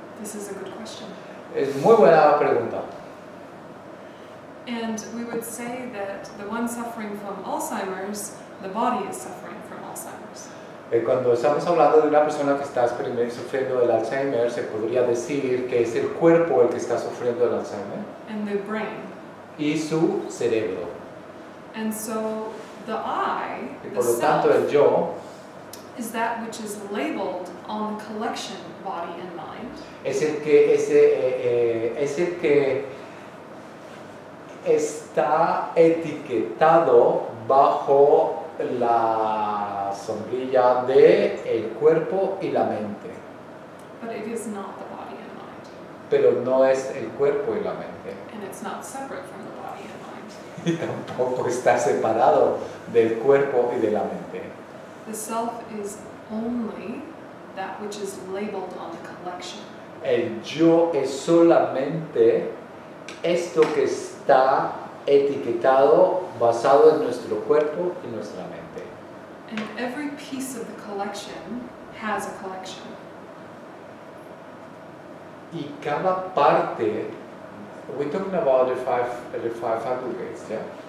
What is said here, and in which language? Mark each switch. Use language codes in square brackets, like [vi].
[en] This is a good question. [es] Es muy buena pregunta. [en] And we would say that the one suffering from Alzheimer's, the body is suffering from Alzheimer's. [es] Cuando estamos hablando de una persona que está sufriendo del Alzheimer, se podría decir que es el cuerpo el que está sufriendo del Alzheimer. [en] And the brain. [es] Y su cerebro. [en] And so the I, [es] y por lo tanto el yo, [en] is that which is labeled on the collection body and mind. [es] Es el que está etiquetado bajo la sombrilla de el cuerpo y la mente. [en] But it is not the body and mind. [es] Pero no es el cuerpo y la mente. [en] And it's not separate from the body and mind. [es] Y tampoco está separado del cuerpo y de la mente. [en] The self is only that which is labeled on the collection. [es] El yo es solamente esto que está etiquetado basado en nuestro cuerpo y nuestra mente. [en] And every piece of the collection has a collection. [es] Y cada parte, [en] we're talking about the five aggregates, yeah?